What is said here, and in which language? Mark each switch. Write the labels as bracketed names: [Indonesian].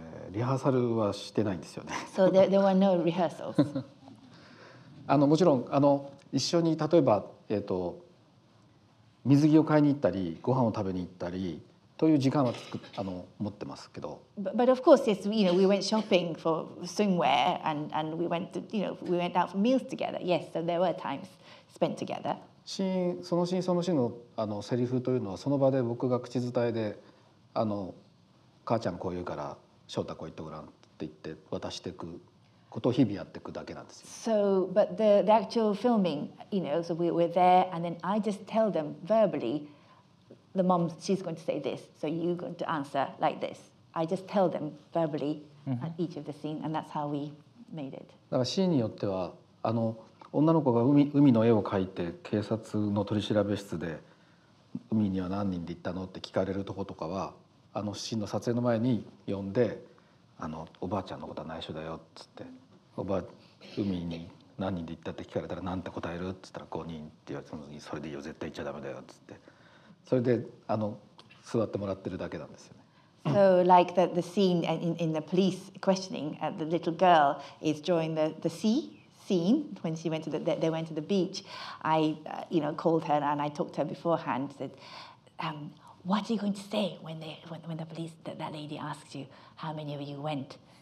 [Japanese] リハーサルはしてないんですよね。 [English] So there were no rehearsals. [Japanese] もちろん、一緒に例えば、水着を買いに行ったりご飯を食べに行ったりという時間は持ってますけど。 [English] But of course, yes, you know, we went shopping for swimwear and we went to, you know, we went out for meals together. Yes, so there were times spent together. [Japanese] シーン、そのシーン、そのシーンの、セリフというのはその場で僕が口伝えで母ちゃんこう言うから翔太こう言ってごらんって言って渡していくことを日々やっていくだけなんですよ。 [English] So, but the actual filming, you know, so we were there and then I just tell them verbally. The mom, she's going to say this, so you're going to answer like this. I just tell them verbally at each of the scene, and that's how we made it. [Japanese] だからシーンによっては、女の子が海の絵を描いて警察の取り調べ室で海には何人で行ったのって聞かれるとことかは、シーンの撮影の前に呼んで、おばあちゃんのことは内緒だよっつって、海に何人で行ったって聞かれたら何て答えるっつったら5人って言われて、それでいいよ絶対行っちゃダメだよっつって。それで座ってもらってるだけなんですよね。 [English] So like the scene in the police questioning at the little girl is during the sea scene when she went to they went to the beach. I you know called her and I talked to her beforehand. Said, "What are you going to say when the police that lady asks you how many of you went?